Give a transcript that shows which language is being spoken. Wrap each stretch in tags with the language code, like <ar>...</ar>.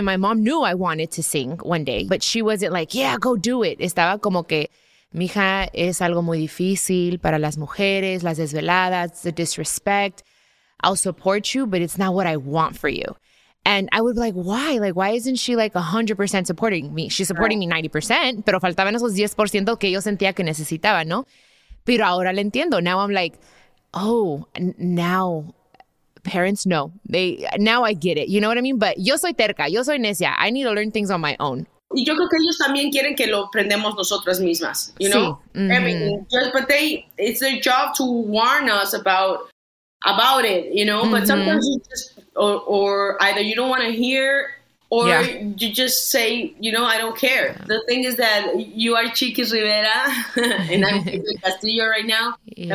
<en>My mom knew I wanted to sing one day, but she wasn't like, yeah, go do it.</en> <es>Estaba como que, mija, es algo muy difícil para las mujeres, las desveladas,</es> <en>the disrespect. I'll support you, but it's not what I want for you. And I would be like, why? Like, why isn't she like 100% supporting me? She's supporting me 90%,</en> <es>pero faltaban esos 10% que yo sentía que necesitaba, ¿no? Pero ahora lo entiendo.</es> <en>Now I'm like, oh, now... Parents, no. They, now I get it. You know what I mean? But</en> <es>yo soy terca. Yo soy necia.</es> <en>I need to learn things on my own.</en> <es>Y yo creo que ellos también quieren que lo aprendamos nosotras mismas.</es> <en>You know? But it's their job to warn us about it, you know? But sometimes you just, or either you don't want to hear, Or yeah. you just say, you know, I don't care. Yeah. The thing is that you are Chiquis Rivera, and I'm Chiquis Castillo right now, yeah.</en>